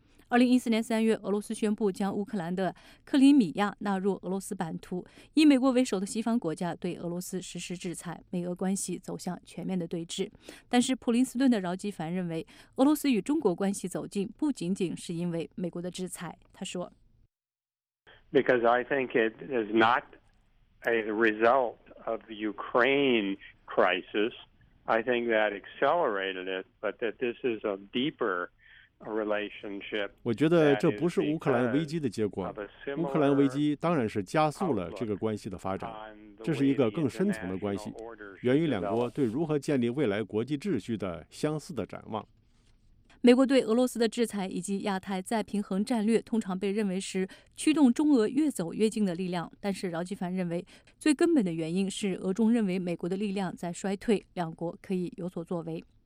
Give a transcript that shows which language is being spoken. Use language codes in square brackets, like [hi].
[zh] 2014年3月，俄罗斯宣布将乌克兰的克里米亚纳入俄罗斯版图，以美国为首的西方国家对俄罗斯实施制裁，美俄关系走向全面的对峙。但是普林斯顿的饶继凡认为，俄罗斯与中国关系走近不仅仅是因为美国的制裁。他说 [en] Because I think it is not a result of the Ukraine crisis. I think that accelerated it, but that this is a deeper relationship. [zh] 我觉得这不是乌克兰危机的结果。乌克兰危机当然是加速了这个关系的发展，这是一个更深层的关系，源于两国对如何建立未来国际秩序的相似的展望。美国对俄罗斯的制裁以及亚太再平衡战略通常被认为是驱动中俄越走越近的力量，但是饶继凡认为，最根本的原因是俄中认为美国的力量在衰退，两国可以有所作为。